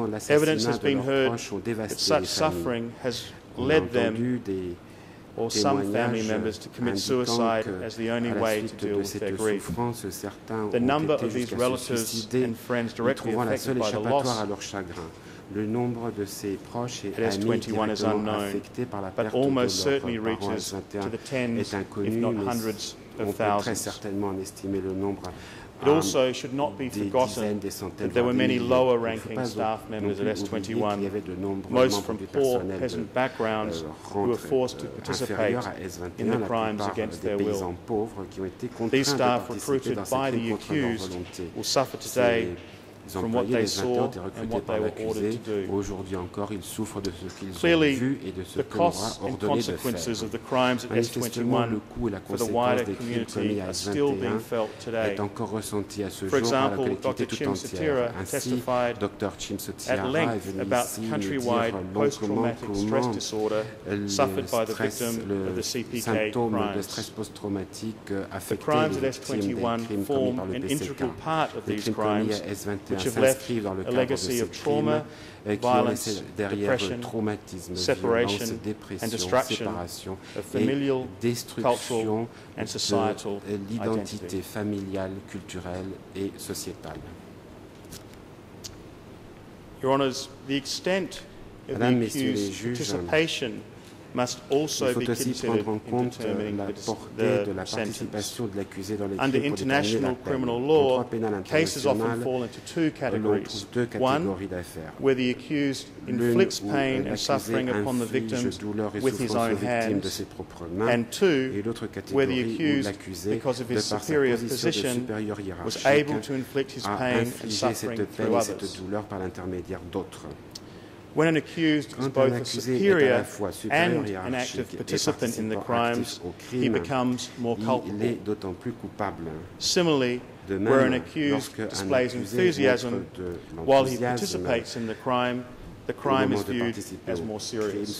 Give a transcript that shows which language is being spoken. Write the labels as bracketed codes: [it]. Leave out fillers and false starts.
[en] Evidence has been heard that such suffering has led them or some family members to commit suicide as the only way to deal with their grief. The number of these relatives and friends directly affected by the loss [fr] le nombre de ses proches et amis affectés par la perte de leurs parents internes est inconnu, mais on peut très certainement en estimer le nombre. [en] It also should not be forgotten that there were many lower-ranking staff members at S21, most from poor peasant backgrounds who were forced to participate in the crimes against their will. These staff recruited by the accused will suffer today [fr] les employés, les agents étaient recrutés par l'accusé. Aujourd'hui encore, ils souffrent de ce qu'ils ont vu et de ce qu'on leur a ordonné de faire. Manifestement, le coût et la conséquence des crimes commis à S21 est encore ressenti à ce jour par la collectivité tout entière. Ainsi, Dr. Chim Sotira est venu ici nous dire comment le symptôme de stress post-traumatique affectait les victimes des crimes commis par le PCK. Les crimes commis à S21 s'inscrivent dans le cadre de ces crimes et qui ont laissé derrière eux traumatisme, violence, dépression, séparation et destruction de l'identité familiale, culturelle et sociétale. [en] Your Honours, the extent of the accused's participation must also [fr] il faut aussi prendre en compte la portée de la participation de l'accusé dans les crimes pour déterminer la peine. Dans le droit pénal international, l'on trouve deux catégories d'affaires. L'une où l'accusé inflige douleur et souffrance aux victimes de ses propres mains, et l'autre catégorie où l'accusé, de par sa position de supérieur hiérarchique, a infligé cette peine et cette douleur par l'intermédiaire d'autres. [en] When an accused is both a superior and an active participant in the crimes, he becomes more culpable. [fr] Il est d'autant plus coupable. [en] Similarly, where an accused displays enthusiasm while he participates in the crime, the crime is viewed as more serious.